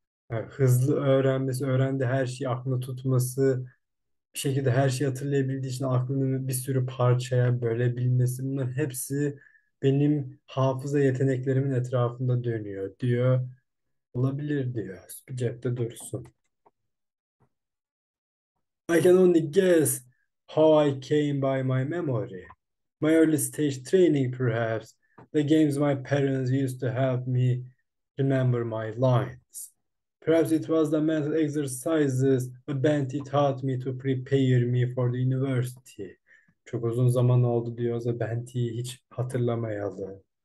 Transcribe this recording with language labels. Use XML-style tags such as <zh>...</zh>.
<tr>Yani hızlı öğrenmesi, öğrendi her şeyi aklında tutması, bir şekilde her şeyi hatırlayabildiği için aklını bir sürü parçaya bölebilmesi, bunların hepsi benim hafıza yeteneklerimin etrafında dönüyor diyor. Olabilir diyor. Bir cepte dursun.</tr> <en>I can only guess how I came by my memory. My early stage training perhaps. The games my parents used to help me remember my lines. Perhaps it was the mental exercises a bandit taught me to prepare me for the university.</en> <tr>Çok uzun zaman oldu diyor da Benti'yi hiç hatırlamayalı.</tr>